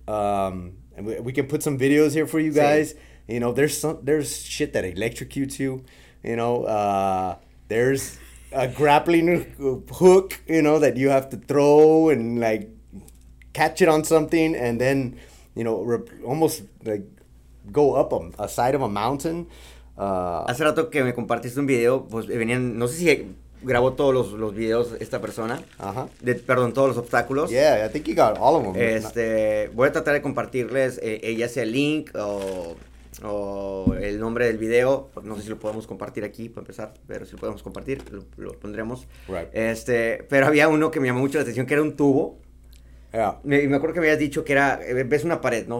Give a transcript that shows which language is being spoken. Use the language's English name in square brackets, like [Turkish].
[English] And we can put some videos here for you guys. See? You know, there's shit that electrocutes you, you know. There's a grappling hook, you know, that you have to throw and like catch it on something, and then, you know, almost like go up a side of a mountain. [Spanish] Hace rato que me compartiste un video, pues venían, no sé si grabó todos los videos esta persona. Ajá. Perdón, todos los obstáculos. [English] Yeah, I think he got all of them. [Spanish] Voy a tratar de compartirles ya sea el link o el nombre del video. No sé si lo podemos compartir aquí para empezar, pero si lo podemos compartir, lo pondremos. [English] Right. [Spanish] Pero había uno que me llamó mucho la atención, que era un tubo. [English] Yeah. [Spanish] Me acuerdo que me habías dicho que era, ves una pared, ¿no?